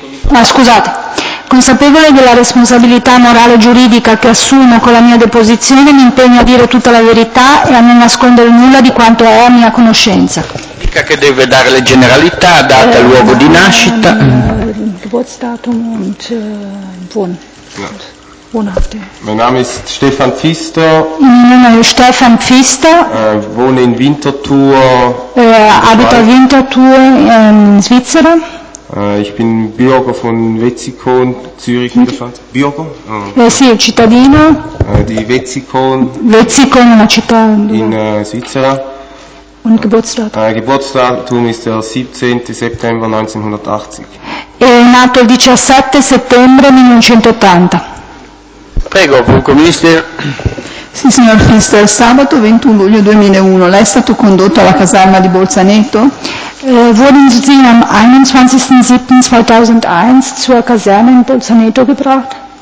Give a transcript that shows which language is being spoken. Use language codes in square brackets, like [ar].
[it] Ma scusate, consapevole della responsabilità morale e giuridica che assumo con la mia deposizione, mi impegno a dire tutta la verità e a non nascondere nulla di quanto è a mia conoscenza. Dica che deve dare le generalità, data, luogo di nascita. [de] Geburtsdatum und Wohnorte. Mein Name ist Stefan Pfister. Stefan Pfister. Wohne in Winterthur. [it] Abito a Winterthur in Svizzera. [de] Ich bin Bürger von Wetzikon, Zürich in der Schweiz. Bürger? [it] Sì, cittadino. Di Wetzikon. Wetzikon, una città. In Svizzera. [de] Und Geburtsdatum? Geburtsdatum ist der 17. September 1980. [it] È nato il 17 settembre 1980. Prego, Pubblico Ministero. Sì, signor Pfister, sabato 21 luglio 2001, lei è stato condotto alla caserma di Bolzaneto? [de] Wurden Sie am 21.07.2001 zur Kaserne in Bolzaneto gebracht?